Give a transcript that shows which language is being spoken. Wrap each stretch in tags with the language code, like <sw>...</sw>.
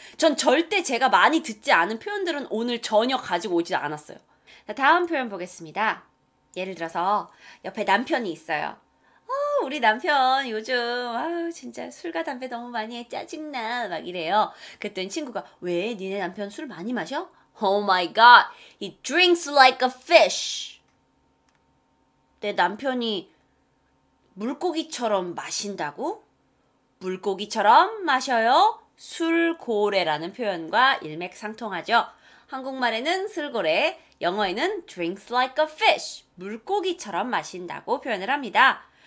<ko>전 절대 제가 많이 듣지 않은 표현들은 오늘 전혀 가지고 오지 않았어요. 자, 다음 표현 보겠습니다. 예를 들어서 옆에 남편이 있어요. 우리 남편 요즘 아유 진짜 술과 담배 너무 많이 해 짜증나 막 이래요. 그랬더니 친구가 왜 니네 남편 술 많이 마셔?</ko> <en>Oh my god, he drinks like a fish.</en> <ko>내 남편이 물고기처럼 마신다고? 물고기처럼 마셔요? 술고래라는 표현과 일맥상통하죠. 한국말에는 술고래, 영어에는</ko> <en>drinks like a fish,</en> <ko>물고기처럼 마신다고 표현을 합니다.</ko>